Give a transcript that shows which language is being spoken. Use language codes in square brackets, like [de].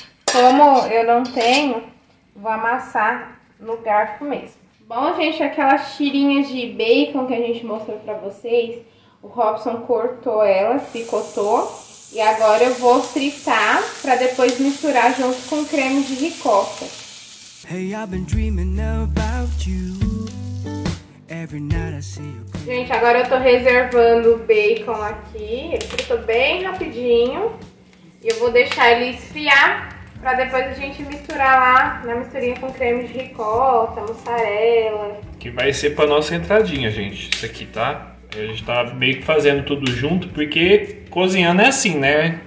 [pt] Como eu não tenho, vou amassar no garfo mesmo. Bom, gente, aquelas tirinhas de bacon que a gente mostrou pra vocês, o Robson cortou elas, picotou. E agora eu vou fritar pra depois misturar junto com creme de ricota. [en] Hey, I've been dreaming about you. Every night I see you. [pt] Gente, agora eu tô reservando o bacon aqui. Ele fritou bem rapidinho. E eu vou deixar ele esfriar. Pra depois a gente misturar lá na misturinha com creme de ricota, mussarela. Que vai ser pra nossa entradinha, gente, isso aqui, tá? A gente tá meio que fazendo tudo junto, porque cozinhando é assim, né?